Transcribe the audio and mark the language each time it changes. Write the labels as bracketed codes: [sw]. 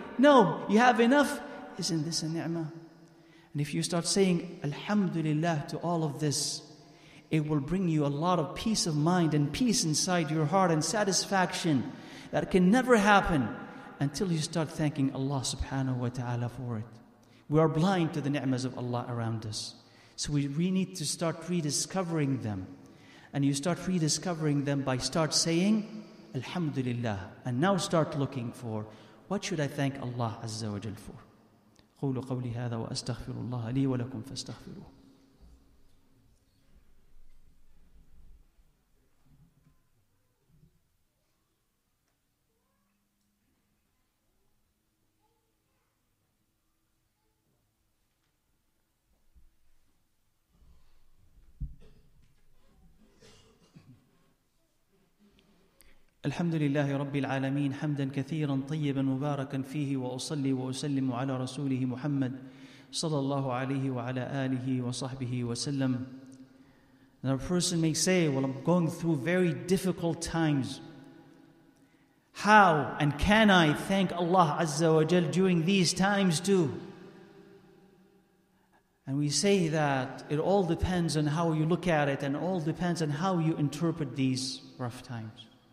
[en] No, you have enough. Isn't this a ni'mah? And if you start saying Alhamdulillah to all of this, it will bring you a lot of peace of mind and peace inside your heart and satisfaction that can never happen until you start thanking Allah subhanahu wa ta'ala for it. We are blind to the ni'mas of Allah around us. So we need to start rediscovering them. And you start rediscovering them by start saying Alhamdulillah. And now start looking for, what should I thank Allah Azza wa Jal for? [ar] قول قولي هذا وأستغفر الله لي ولكم فاستغفروه. الحمد لله رب العالمين حمدا كثيرا طيبا مباركا فيه وأصلي وأسلم على رسوله محمد صلى الله عليه وعلى آله وصحبه وسلم. [en] And a person may say, well, I'm going through very difficult times. How and can I thank Allah Azza wa Jal during these times too? And we say that it all depends on how you look at it and all depends on how you interpret these rough times.